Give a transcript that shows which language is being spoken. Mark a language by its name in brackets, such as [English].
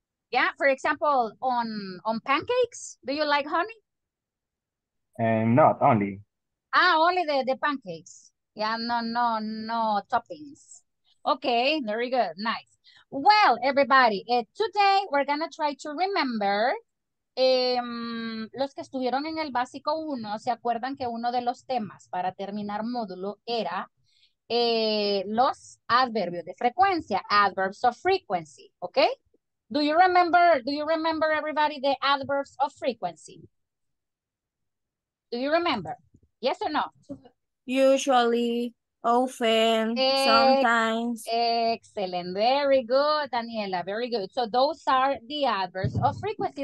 [English] Yeah, for example, on pancakes, do you like honey? Not only. Ah, only the pancakes. Yeah, no toppings. Okay, very good, nice. Well, everybody, today we're gonna try to remember. [Spanish] Los que estuvieron en el básico 1, ¿se acuerdan que uno de los temas para terminar módulo era los adverbios de frecuencia, [English] adverbs of frequency, okay? Do you remember everybody the adverbs of frequency? Do you remember? Yes or no? Usually, often, sometimes. Excellent. Very good, Daniela. Very good. So those are the adverbs of frequency.